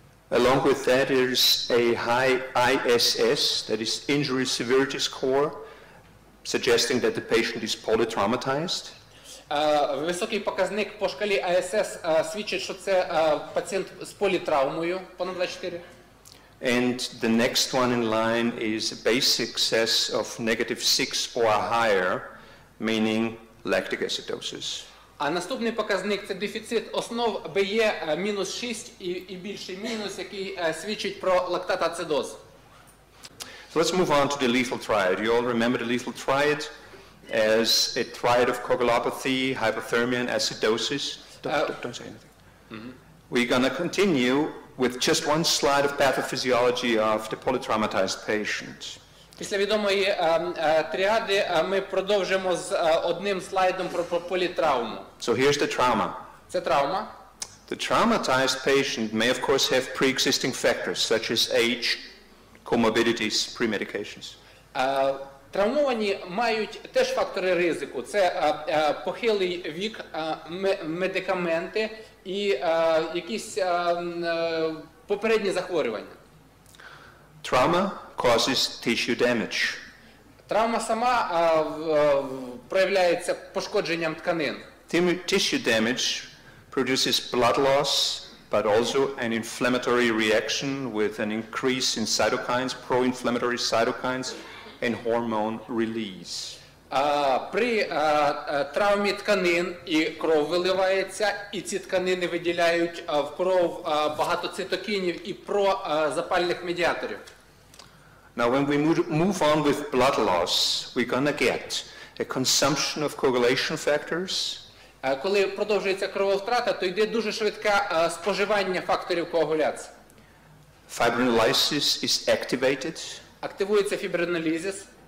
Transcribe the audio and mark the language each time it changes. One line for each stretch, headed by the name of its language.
English: Along with that, there is a high ISS, that is injury severity score, suggesting that the patient is polytraumatized.
Ukrainian: Високий показник по шкалі ISS свідчить, що це пацієнт з політравмою, понад 24.
English: And the next one in line is a basic CSS of negative 6 or higher, meaning lactic acidosis.
Ukrainian: А наступний показник – це дефіцит основ БЄ мінус 6 і більший мінус, який свідчить про лактатацидоз.
English: So let's move on to the lethal triad. You all remember the lethal triad as a triad of coagulopathy, hypothermia, and acidosis. Don't say anything. Mm-hmm. We're going to continue with just one slide of pathophysiology of the polytraumatized patient.
Ukrainian: Після відомої тріади ми продовжимо з одним слайдом про політравму.
English: So here's the trauma.
Ukrainian: Це травма.
English: The traumatized patient may of course have pre-existing factors such as age, comorbidities, pre-medications.
Ukrainian: Травмовані мають теж фактори ризику. Це похилий вік, медикаменти і якісь попередні захворювання.
English: Trauma causes tissue damage.
Ukrainian: Травма сама проявляється пошкодженням тканин.
English: Tissue damage produces blood loss, but also an inflammatory reaction with an increase in cytokines, pro-inflammatory cytokines, and hormone release.
Ukrainian: При травмі тканин і кров виливається, і ці тканини виділяють в кров багато цитокінів і прозапальних медіаторів.
English: Now, when we move on with blood loss, we're going to get a consumption of coagulation factors.
Ukrainian: Коли продовжується крововтрата, то йде дуже швидке споживання факторів коагуляції.
English: Fibrinolysis is activated.
Ukrainian: Активується фібринолізис.